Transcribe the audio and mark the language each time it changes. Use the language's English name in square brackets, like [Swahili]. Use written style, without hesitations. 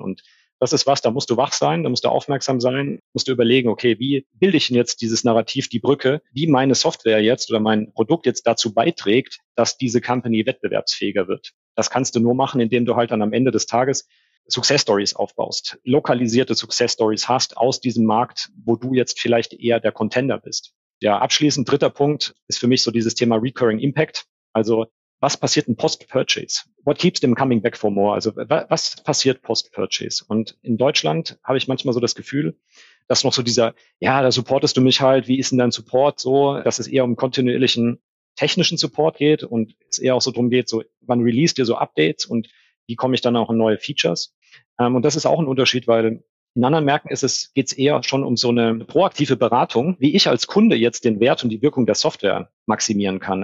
[German] Und das ist was, da musst du wach sein, da musst du aufmerksam sein, musst du überlegen, okay, wie bilde ich denn jetzt dieses Narrativ, die Brücke, wie meine Software jetzt oder mein Produkt jetzt dazu beiträgt, dass diese Company wettbewerbsfähiger wird. Das kannst du nur machen, indem du halt dann am Ende des Tages Success Stories aufbaust, lokalisierte Success Stories hast aus diesem Markt, wo du jetzt vielleicht eher der Contender bist. Ja, abschließend, dritter Punkt ist für mich so dieses Thema Recurring Impact. Also, was passiert in Post-Purchase? [English] What keeps them coming back for more? [German] Also was passiert Post-Purchase? Und in Deutschland habe ich manchmal so das Gefühl, dass noch so dieser, ja, da supportest du mich halt, wie ist denn dein Support so, dass es eher um kontinuierlichen technischen Support geht und es eher auch so drum geht, so wann release dir so Updates und wie komme ich dann auch in neue Features? Und das ist auch ein Unterschied, weil in anderen Märkten geht's eher schon um so eine proaktive Beratung, wie ich als Kunde jetzt den Wert und die Wirkung der Software maximieren kann.